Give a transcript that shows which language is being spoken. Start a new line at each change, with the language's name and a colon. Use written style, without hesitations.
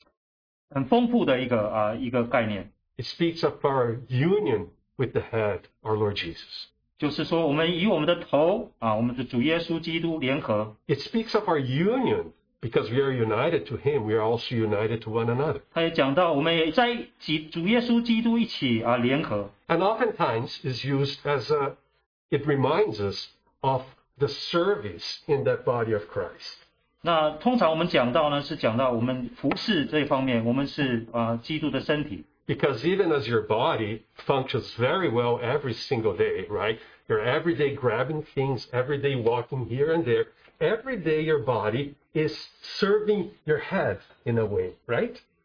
Chinese: 我们知道在这个主的这个话里面,这个基督的身体是一个很丰富的一个概念。
English: It speaks of our union with the head, our Lord Jesus.
Chinese: 就是说我们与我们的头,我们的主耶稣基督联合。
English: It speaks of our union, because we are united to Him, we are also united to one another.
Chinese: 他也讲到我们也在主耶稣基督一起联合。
English: And oftentimes is used as it reminds us of the service in that body of Christ.
Chinese: 那通常我们讲到呢,是讲到我们服事这方面,我们是基督的身体。
English: Because even as your body functions very well every single day, right? You're every day grabbing things, every day walking here and there. Every day your body is serving your head in a way, right?